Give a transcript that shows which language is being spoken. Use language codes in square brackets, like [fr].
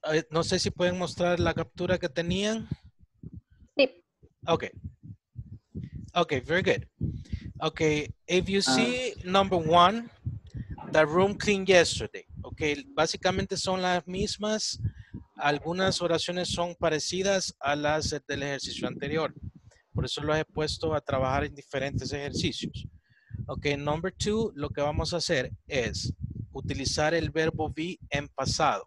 [es] No sé si pueden mostrar la captura que tenían. Sí. [en] Okay. Okay, very good. Okay, if you see number one, the room cleaned yesterday. [es] Okay, básicamente son las mismas. Algunas oraciones son parecidas a las del ejercicio anterior. Por eso los he puesto a trabajar en diferentes ejercicios. [en] Okay, number two, [es] lo que vamos a hacer es utilizar el verbo be en pasado.